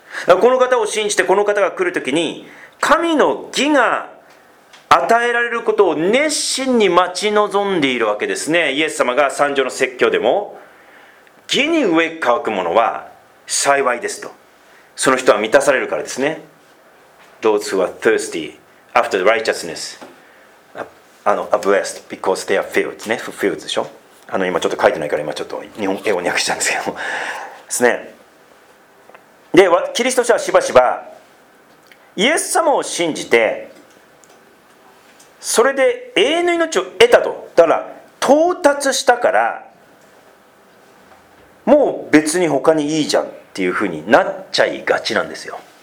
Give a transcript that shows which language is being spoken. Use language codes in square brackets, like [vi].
[ja] この方を信じてこの方が来るときに神の義が与えられることを熱心に待ち望んでいるわけですね。イエス様が三条の説教でも義に飢え渇く者は幸いですと、その人は満たされるからですね。 [en] Those who are thirsty after righteousness are blessed because they are filled、ね、fulfilled [ja] でしょ。今ちょっと書いてないから今ちょっと日本英語に訳したんですけどですね。で、キリスト者はしばしばイエス様を信じてそれで永遠の命を得たと、だから到達したからもう別に他にいいじゃんっていうふうになっちゃいがちなんですよ。